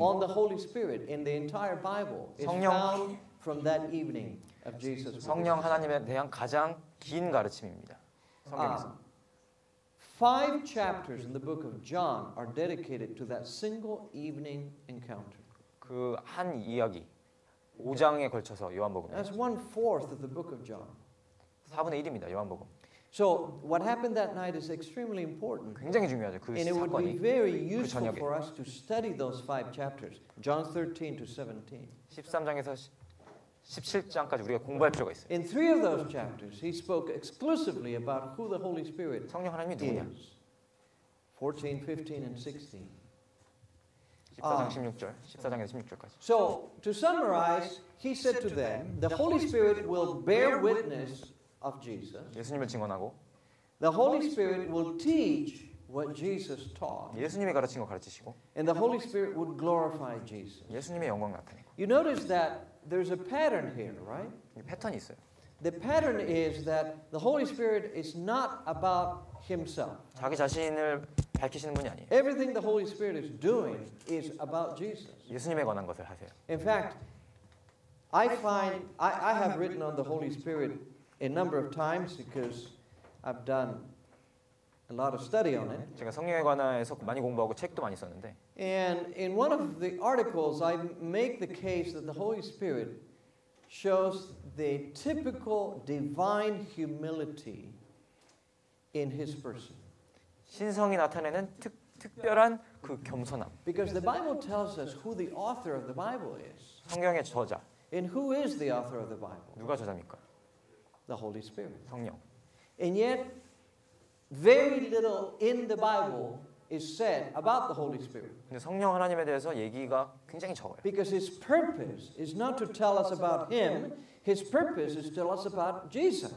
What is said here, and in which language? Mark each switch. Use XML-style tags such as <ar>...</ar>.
<en>on the Holy Spirit in the entire Bible is found from that evening of Jesus.</en> <ko>성령 하나님에 대한 가장 긴 가르침입니다. 성경에서.</ko> <en>5 chapters in the book of John are dedicated to that single evening encounter.</en> <ko>그 한 이야기 5장에 걸쳐서 요한복음.</ko> <en>That's 1/4 of the book of John.</en> <ko>4분의 1입니다. 요한복음.</ko> <en>So what happened that night is extremely important.</en> <ko>굉장히 중요하죠. 그</ko> <en>And it</en> <ko>사건이.</ko> <en>And it would be very useful for us to study those 5 chapters. John 13 to 17.</en> <ko>13장에서 17장까지 우리가 공부할 필요가 있어요.</ko> <en>In 3 of those chapters, he spoke exclusively about who the Holy Spirit is.</en> <ko>성령 하나님이 누구냐?</ko> <en>14, 15 and 16.</en> <ko>14장에서 16절까지.</ko> <en>So, to summarize, he said to them, the Holy Spirit will bear witness of Jesus.</en> <ko>예수님을 증언하고</ko> <en>The Holy Spirit will teach what Jesus taught.</en> <ko>예수님이 가르친 거 가르치시고</ko> <en>And the Holy Spirit would glorify Jesus.</en> <ko>예수님의 영광 나타내고</ko> <en>You notice that there's a pattern here, right?</en> <ko>패턴이 있어요.</ko> <en>The pattern is that the Holy Spirit is not about himself.</en> <ko>자기 자신을 밝히시는 분이 아니에요.</ko> <en>Everything the Holy Spirit is doing is about Jesus.</en> <ko>예수님에 관한 것을 하세요.</ko> <en>In fact, I have written on the Holy Spirit a number of times because I've done a lot of study on it.</en> <ko>제가 성령에 관해서 많이 공부하고 책도 많이 썼는데.</ko> <en>And in one of the articles, I make the case that the Holy Spirit shows the typical divine humility in his person.</en> <ko>신성이 나타내는 특별한 그 겸손함.</ko> <en>Because the Bible tells us who the author of the Bible is.</en> <ko>성경의 저자.</ko> <en>And who is the author of the Bible?</en> <ko>누가 저자입니까?</ko> <en>The Holy Spirit.</en> <ko>성령.</ko> <en>And yet, very little in the Bible is said about the Holy Spirit.</en> <ko>근데 성령 하나님에 대해서 얘기가 굉장히 적어요.</ko> <en>Because his purpose is not to tell us about him. His purpose is to tell us about Jesus.</en>